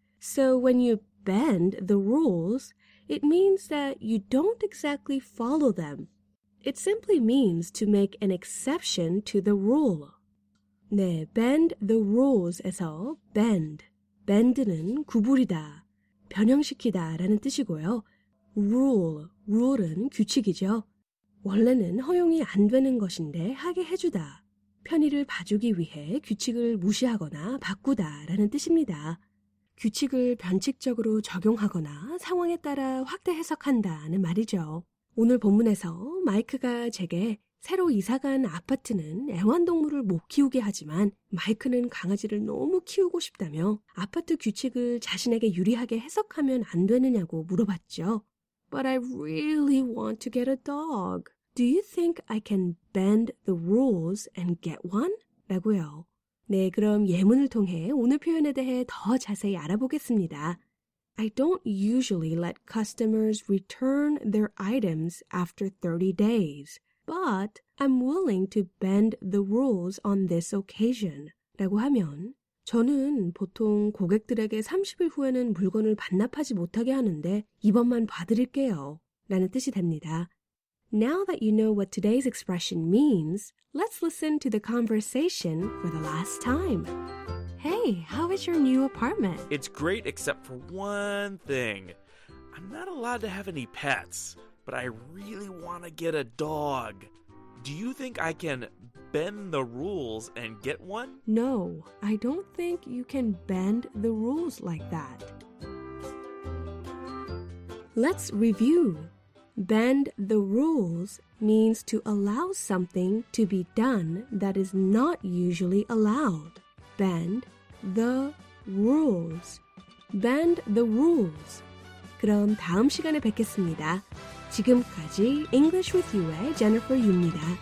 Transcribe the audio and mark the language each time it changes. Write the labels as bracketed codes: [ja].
[en] So when you bend the rules, it means that you don't exactly follow them. It simply means to make an exception to the rule. [ko] 네, bend the rules에서 bend. bend는 구부리다. 변형시키다 라는 뜻이고요. rule, rule은 규칙이죠. 원래는 허용이 안 되는 것인데 하게 해주다. 편의를 봐주기 위해 규칙을 무시하거나 바꾸다 라는 뜻입니다. 규칙을 변칙적으로 적용하거나 상황에 따라 확대 해석한다는 말이죠. 오늘 본문에서 마이크가 제게 새로 이사간 아파트는 애완동물을 못 키우게 하지만 마이크는 강아지를 너무 키우고 싶다며 아파트 규칙을 자신에게 유리하게 해석하면 안 되느냐고 물어봤죠. [en] But I really want to get a dog. Do you think I can bend the rules and get one? [ko] 라고요. 네, 그럼 예문을 통해 오늘 표현에 대해 더 자세히 알아보겠습니다. [en] I don't usually let customers return their items after 30 days. But I'm willing to bend the rules on this occasion. [ko] 라고 하면 저는 보통 고객들에게 30일 후에는 물건을 반납하지 못하게 하는데 이번만 봐드릴게요. 라는 뜻이 됩니다. [en] Now that you know what today's expression means, let's listen to the conversation for the last time. Hey, how is your new apartment? It's great except for one thing. I'm not allowed to have any pets. But I really want to get a dog. Do you think I can bend the rules and get one? No, I don't think you can bend the rules like that. Let's review. Bend the rules means to allow something to be done that is not usually allowed. Bend the rules. Bend the rules. [ko] 그럼 다음 시간에 뵙겠습니다. 지금까지 English with You의 Jennifer Yu입니다.